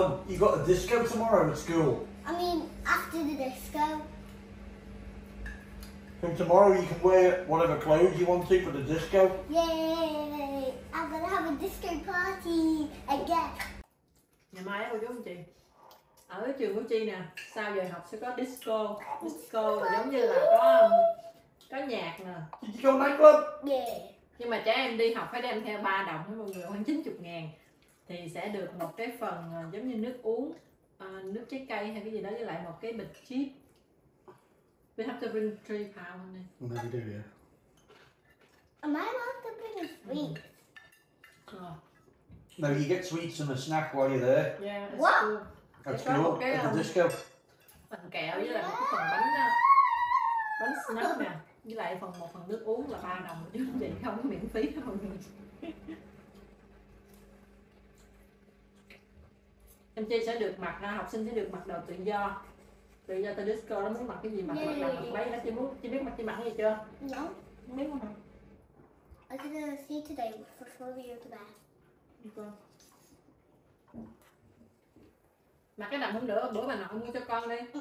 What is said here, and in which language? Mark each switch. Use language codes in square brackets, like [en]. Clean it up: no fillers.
[en] Oh, you got a disco tomorrow at school? I mean, after the disco. And tomorrow you can wear whatever clothes you want to for the disco. Yay! I'm going to have a disco party again. [vi] Ngày mai đó giống chị. Ở trường của chị nè, sau giờ học sẽ có disco. Disco là giống như là có nhạc nè. [en] Disco nightclub. Yeah. [vi] Nhưng mà trẻ em đi học phải đem theo 3 đồng với mọi người, khoảng 90 ngàn. Thì sẽ được một cái phần giống như nước uống, nước trái cây hay cái gì đó, với lại một cái bịch chip. [en] We have to bring 3 pounds. Maybe do, yeah. Am I allowed to bring a sweet? No, you get sweets and a snack while you're there. Yeah, it's cool. That's cool. At the disco. [vi] Phần kẹo với lại một phần bánh nè. Bánh snack nè. Với lại phần một phần nước uống là 3 đồng. Chứ không chỉ không miễn phí đâu mọi người. Em Chi sẽ được mặc, học sinh sẽ được mặc đồ tự do. Tự do tới disco nó muốn mặc cái gì mặc, mặc là mặc bấy. Chi biết mặc gì mặc hay chưa? [en] No. [vi] Không biết không mặc. [en] I'm gonna see today before we go to bed. [vi] Mặc cái đầm không được, bữa bà nội mua cho con đi.